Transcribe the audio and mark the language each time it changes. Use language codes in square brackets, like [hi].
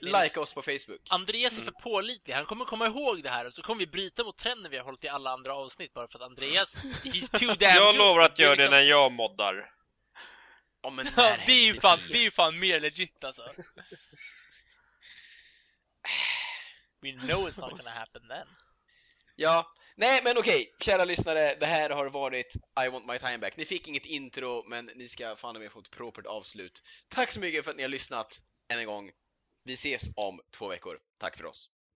[sv] like oss på Facebook. Andreas är för pålitlig, han kommer komma ihåg det här och så kommer vi bryta mot trenden vi har hållit i alla andra avsnitt bara för att Andreas, [en] he's too damn [sv] jag lovar att göra det när jag moddar. Ja, men det, är det, är ju fan, det är ju fan mer legit alltså. [en] We know it's not gonna happen then. [sv] Ja. Nej, men okej, kära lyssnare, det här har varit I want my time back. Ni fick inget intro, men ni ska fan med få ett propert avslut. Tack så mycket för att ni har lyssnat än en gång. Vi ses om 2 veckor. Tack för oss.